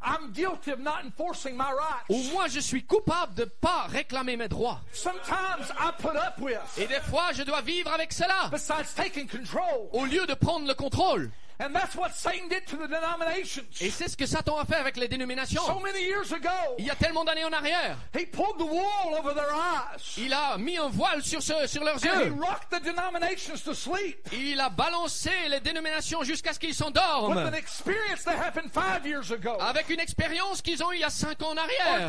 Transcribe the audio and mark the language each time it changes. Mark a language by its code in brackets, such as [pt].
[en] I'm guilty of not enforcing my rights. [fr] Où moi je suis coupable de pas réclamer mes droits. [en] Sometimes I put up with. [fr] Et des fois je dois vivre avec cela. [en] Besides taking control. [fr] Au lieu de prendre le contrôle. [en] And that's what Satan did to the denominations. [fr] Et c'est ce que Satan a fait avec les dénominations. [en] So many years ago, [fr] il y a tellement d'années en arrière. [en] He pulled the wool over their eyes. [fr] Il a mis un voile sur leurs yeux. [en] And he rocked the denominations to sleep. [fr] Il a balancé les dénominations jusqu'à ce qu'ils s'endorment. [en] With an experience that happened 5 years ago. [fr] Avec une expérience qu'ils ont eue il y a 5 ans en arrière.